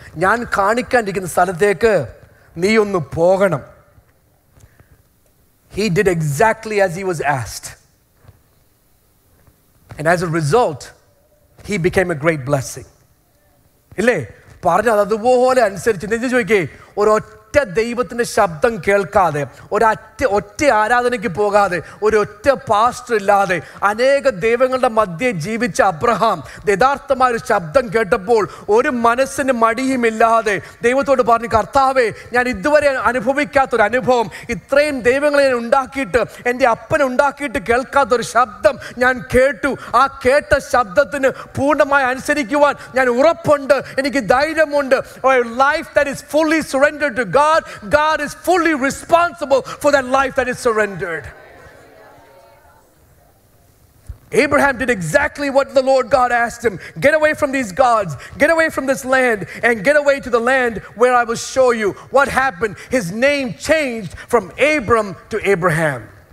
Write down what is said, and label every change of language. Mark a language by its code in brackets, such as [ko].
[ml] ഞാൻ കാണിക്കാനിരിക്കുന്ന സ്ഥലത്തേക്ക് നീ ഒന്ന് പോകണം. [en] He did exactly as he was asked. And as a result, he became a great blessing. [ml] ഇല്ലേ പറഞ്ഞു അതുപോലെ അനുസരിച്ച് നിന്ന് ചോദിക്കേ, ഒരൊറ്റ ദൈവത്തിന്റെ ശബ്ദം കേൾക്കാതെ, ഒറ്റ ആരാധനയ്ക്ക് പോകാതെ, ഒരൊറ്റ പാസ്റ്റർ ഇല്ലാതെ, അനേക ദൈവങ്ങളുടെ മധ്യേ ജീവിച്ച അബ്രഹാം യഥാർത്ഥമായ ഒരു ശബ്ദം കേട്ടപ്പോൾ ഒരു മനസ്സിന് മടിയുമില്ലാതെ ദൈവത്തോട് പറഞ്ഞു, കർത്താവേ, ഞാൻ ഇതുവരെ അനുഭവിക്കാത്തൊരു അനുഭവം, ഇത്രയും ദൈവങ്ങളെ ഞാൻ ഉണ്ടാക്കിയിട്ട് എൻ്റെ അപ്പൻ ഉണ്ടാക്കിയിട്ട് കേൾക്കാത്തൊരു ശബ്ദം ഞാൻ കേട്ടു. ആ കേട്ട ശബ്ദത്തിന് പൂർണ്ണമായി അനുസരിക്കുവാൻ ഞാൻ ഉറപ്പുണ്ട്, എനിക്ക് ധൈര്യമുണ്ട്. [en] Life that is fully surrendered to God, God is fully responsible for that life that is surrendered. Abraham did exactly what the Lord God asked him. Get away from these gods. Get away from this land and get away to the land where I will show you. What happened? His name changed from Abram to Abraham.